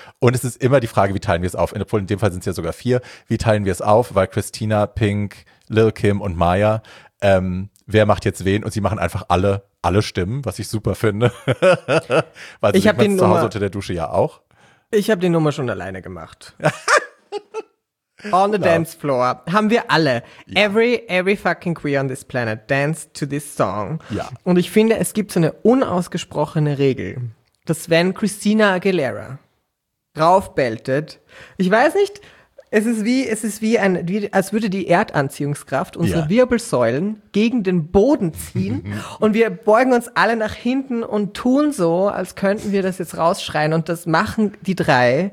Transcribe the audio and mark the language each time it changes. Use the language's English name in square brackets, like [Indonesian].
[German] Und es ist immer die Frage, wie teilen wir es auf? Obwohl in dem Fall sind es ja sogar vier. Wie teilen wir es auf? Weil Christina, Pink, Lil' Kim und Maya, wer macht jetzt wen? Und sie machen einfach alle Stimmen, was ich super finde. Weil ich habe die Nummer zu Hause unter der Dusche ja auch. Ich habe die Nummer schon alleine gemacht. [English] On the dance floor [German] haben wir alle, ja. [English] every fucking queer on this planet danced to this song. [German] Ja. Und ich finde, es gibt so eine unausgesprochene Regel, dass wenn Christina Aguilera draufbeltet, ich weiß nicht, es ist wie als würde die Erdanziehungskraft unsere Wirbelsäulen gegen den Boden ziehen und wir beugen uns alle nach hinten und tun so, als könnten wir das jetzt rausschreien und das machen die drei.